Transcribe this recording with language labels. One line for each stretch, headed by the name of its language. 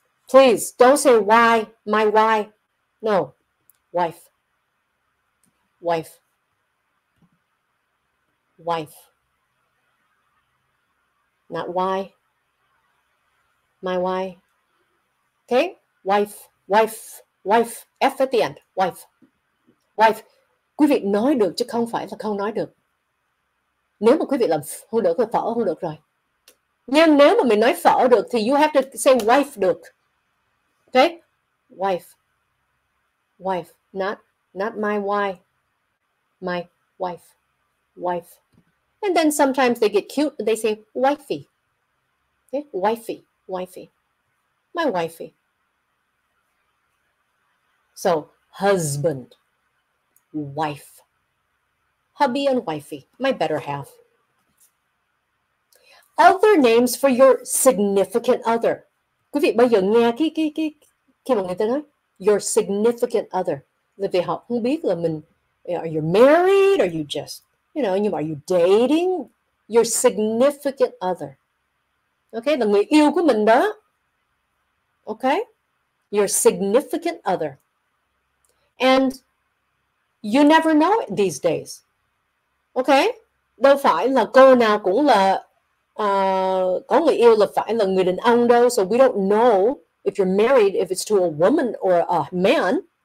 English: Please, don't say why, my why. No, wife. Wife. Wife. Not why, my why, okay, wife, wife, wife, F at the end, wife, wife.
Vietnamese: Quý vị nói được chứ không phải là không nói được. Nếu mà quý vị làm không được thì phở không được rồi. Nhưng nếu mà mình nói phở được thì
English: you have to say wife
Vietnamese: được,
English: okay, wife, wife, not my why, my wife, wife. And then sometimes they get cute and they say wifey. Wifey, wifey, my wifey. So, husband, wife, hubby and wifey, my better half. Other names for your significant other.
Vietnamese: Quý vị bây giờ nghe cái mà người ta nói,
English: your significant other.
Vietnamese: Là vì họ không biết là mình,
English: are you married, or are you just, you know, are you dating? Your significant other. Okay,
Vietnamese: là người yêu của mình đó.
English: Okay? Your significant other. And you never know it these days. Okay?
Vietnamese: Đâu phải là cô nào cũng là có người yêu là phải là người đàn ông đâu.
English: So we don't know if you're married, if it's to a woman or a man.